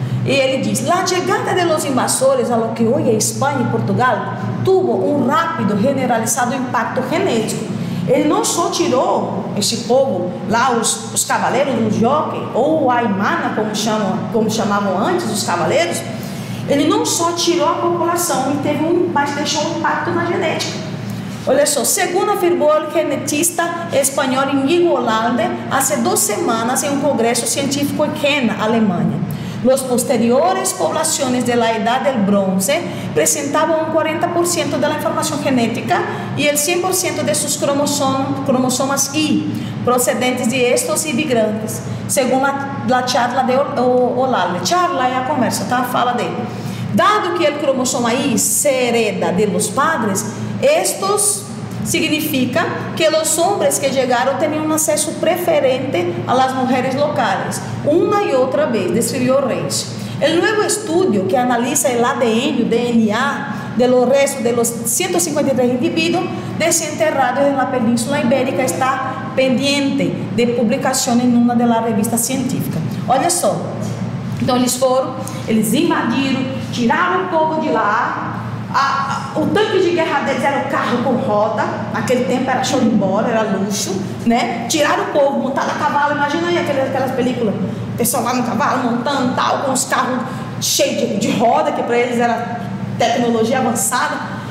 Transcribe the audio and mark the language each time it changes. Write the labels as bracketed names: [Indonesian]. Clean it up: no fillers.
[Portuguese] E ele diz, [Spanish] la llegada de los invasores a lo que hoy es España y Portugal tuvo un rápido generalizado impacto genético. [Portuguese] Ele não só tirou esse povo lá, os cavaleiros, os jockey ou a imana, como chamavam antes os cavaleiros, Ele não só tirou a população, mas deixou um impacto na genética. Olha só, segundo afirmou o genetista espanhol Inigo Olalde, há 2 semanas em um congresso científico em Kena, Alemanha. [Spanish] Las posteriores poblaciones de la edad del bronce presentaban un 40% de la información genética y el 100% de sus cromosomas Y, procedentes de estos inmigrantes, según la charla de Olalde. Charla es la conversa, está a fala de él. Dado que el cromosoma Y se hereda de los padres, estos significa que los hombres que llegaron tenían un acceso preferente a las mujeres locales, una y otra vez, describió Reis. El nuevo estudio que analiza el ADN, el DNA, de los restos de los 153 individuos desenterrados en la península ibérica está pendiente de publicación en una de las revistas científicas. [Portuguese] Olha só, então eles foram, eles invadiram, tiraram o povo de lá. O tanque de guerra deles era o carro com roda, naquele tempo era show de bola, era luxo, né? Tiraram o povo, montado a cavalo, imagina aí aquelas películas, o pessoal lá no cavalo montando tal, com os carros cheios de roda, que para eles era tecnologia avançada.